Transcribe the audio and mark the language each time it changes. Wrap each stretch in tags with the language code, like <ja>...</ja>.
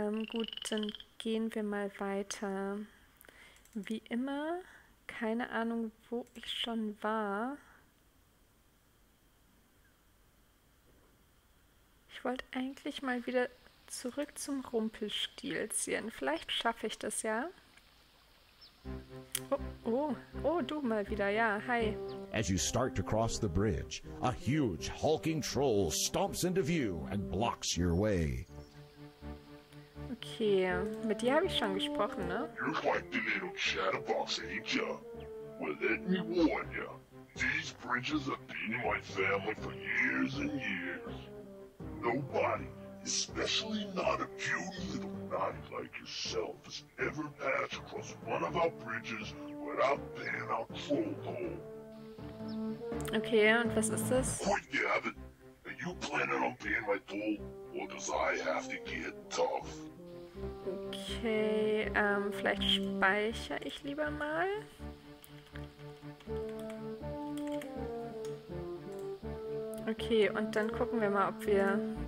<de>Gut, dann gehen wir mal weiter. Wie immer, keine Ahnung, wo ich schon war. Ich wollte eigentlich mal wieder zurück zum Rumpelstilzchen. Vielleicht schaffe ich das ja. Oh, du mal wieder, ja. Hi.</de> <en>As you start to cross the bridge, a huge hulking troll stomps into view and blocks your way.</en> <de>Okay, mit dir habe ich schon gesprochen, ne?</de> <en>You're quite the little chatterbox, ain't ya? Well, let me warn ya. These bridges have been in my family for years and years. Nobody, especially not a cute little knight like yourself, has ever passed across one of our bridges without paying our troll toll.</en> <de>Okay, und was ist das?</de> <en>Point Gavin, are you planning on paying my toll, or does I have to get tough?</en> <de>Okay, vielleicht speichere ich lieber mal. Okay, und dann gucken wir mal, ob wir.</de>